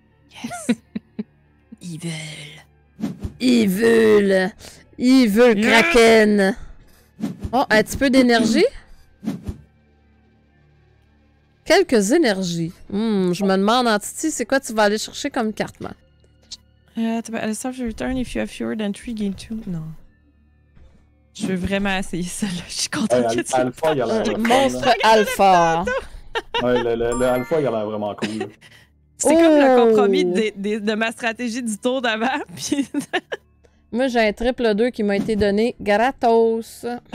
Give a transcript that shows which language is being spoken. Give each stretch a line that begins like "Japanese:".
English: Yes! Evil! Evil! Evil Kraken!
French: Oh, un petit peu d'énergie? Quelques énergies. Je me demande, Antiti, c'est quoi tu vas aller chercher comme carte, man?
English: At the start of your turn, if you have fewer than 3, gain 2.
French: Non. Je veux vraiment essayer ça, là. Je suis contente que tu... Alpha, il y a l'air... Monstre Alpha! Ouais, le Alpha, il y a l'air vraiment cool. C'est comme le compromis de ma stratégie du tour d'avant, puis... Moi, j'ai un triple 2 qui m'a été donné gratos.